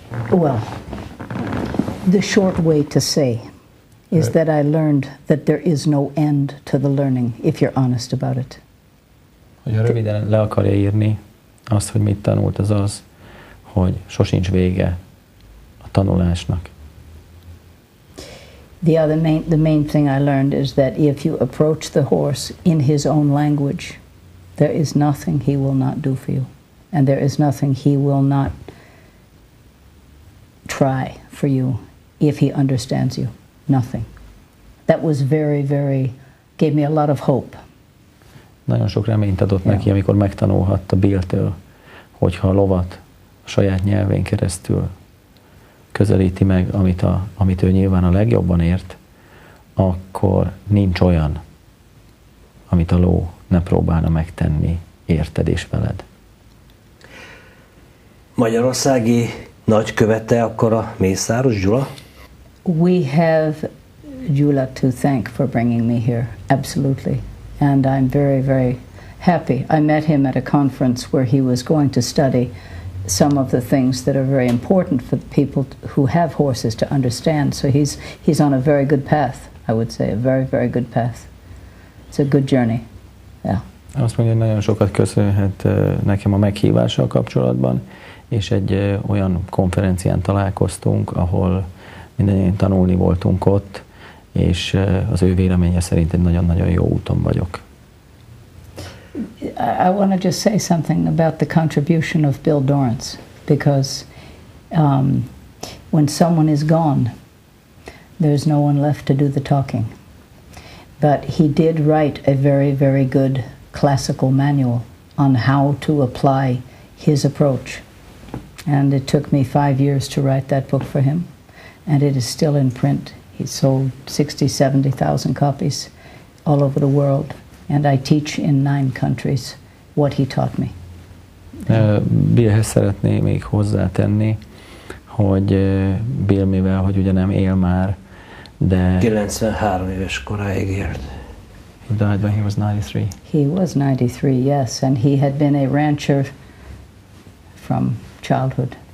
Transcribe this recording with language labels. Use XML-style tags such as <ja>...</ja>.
<en>Well, the short way to say is that I learned that there is no end to the learning, if you're honest about it.</en> <hu>Hogyha röviden le akarja írni azt, hogy mit tanult, az, hogy sosincs vége a tanulásnak.</hu> <en>The main thing I learned is that if you approach the horse in his own language, there is nothing he will not do for you, and there is nothing he will not try for you if he understands you. Nothing. That was very, very, gave me a lot of hope.</en> <hu>Nagyon sok reményt adott neki, amikor megtanulhatta Billtől, hogyha a lovat a saját nyelvén keresztül közelíti meg, amit ő nyilván a legjobban ért, akkor nincs olyan, amit a ló ne próbálna megtenni érted és veled. Magyarországi nagykövete akkor a Mészáros Gyula?</hu> <en>We have Gyula to thank for bringing me here, absolutely. And I'm very, very happy. I met him at a conference where he was going to study some of the things that are very important for the people who have horses to understand. So he's on a very good path, I would say, a very, very good path. It's a good journey. Yeah.</en> <hu>Azt mondja, hogy nagyon sokat köszönhet nekem a meghívással kapcsolatban, és egy olyan konferencián találkoztunk, ahol mindannyian tanulni voltunk ott, és az ő véleménye szerint egy nagyon-nagyon jó úton vagyok.</hu> <en>I want to just say something about the contribution of Bill Dorenct, because when someone is gone, there's no one left to do the talking. But he did write a very, very good classical manual on how to apply his approach. And it took me 5 years to write that book for him. and it is still in print. He sold 60,000-70,000 copies all over the world, and I teach in 9 countries what he taught me.</en> <hu>Billhez szeretném még hozzátenni, hogy Bill, mivel hogy ugye nem él már, de 93 éves koráig élt.</hu> <en>He died when he was 93. He was 93, yes, and he had been a rancher from childhood.</en>